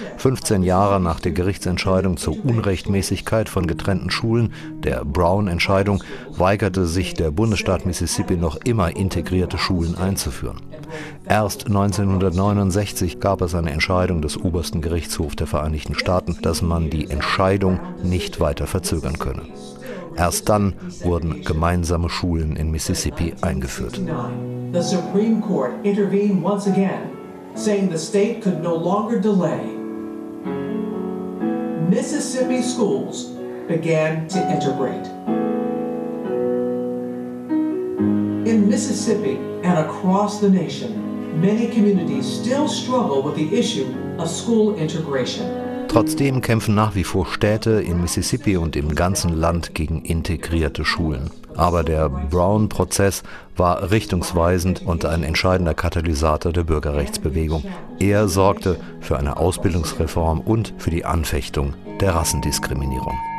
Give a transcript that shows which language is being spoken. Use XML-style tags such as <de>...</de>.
<de>15 Jahre nach der Gerichtsentscheidung zur Unrechtmäßigkeit von getrennten Schulen, der Brown-Entscheidung, weigerte sich der Bundesstaat Mississippi noch immer, integrierte Schulen einzuführen. Erst 1969 gab es eine Entscheidung des obersten Gerichtshofs der Vereinigten Staaten, dass man die Entscheidung nicht weiter verzögern könne. Erst dann wurden gemeinsame Schulen in Mississippi eingeführt.</de> <en>The Supreme Court intervened once again, saying the state could no longer delay. Mississippi schools began to integrate. In Mississippi and across the nation, many communities still struggle with the issue of school integration.</en> <de>Trotzdem kämpfen nach wie vor Städte in Mississippi und im ganzen Land gegen integrierte Schulen. Aber der Brown-Prozess war richtungsweisend und ein entscheidender Katalysator der Bürgerrechtsbewegung. Er sorgte für eine Ausbildungsreform und für die Anfechtung der Rassendiskriminierung.</de>